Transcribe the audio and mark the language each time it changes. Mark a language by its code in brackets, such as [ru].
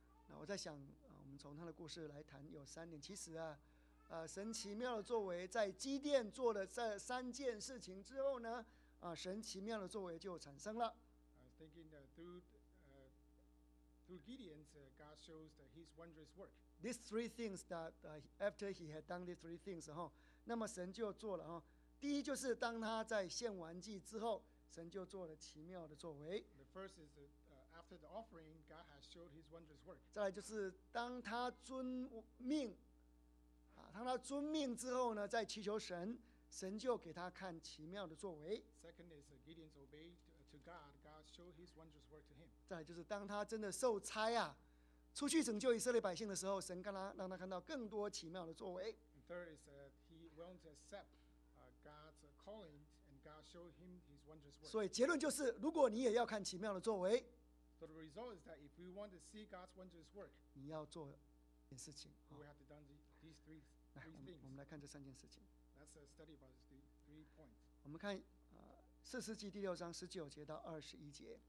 [zh] 那我在想，我们从他的故事来谈有三点。其实啊，神奇妙的作为，在基甸做了这三件事情之后呢，神奇妙的作为就产生了。 [en] I was thinking that through Gideon, God shows that His wondrous work. These three things that after He had done these three things, [zh] 哈，那么神就做了哈。第一就是当他在献完祭之后，神就做了奇妙的作为。 [en] The first is that, after the offering, God has showed His wondrous work. [zh] 再来就是当他遵命。当他遵命之后呢，在祈求神，神就给他看奇妙的作为。 [en] Second is Gideon's obey to God. God showed His wondrous work to him. [zh] 再来就是当他真的受差啊，出去拯救以色列百姓的时候，神让他看到更多奇妙的作为。 [en] And third is he willing to accept God's calling and God showed him His wondrous work. [zh] 所以结论就是，如果你也要看奇妙的作为 [en] ，So the result is that if we want to see God's wondrous work, [zh] 你要做一件事情。 [en] We have to do these three. [zh] 我们来看这三件事情。 [en] That's a study about the three points. [zh] 我们看四世纪第六章十九节到二十一节。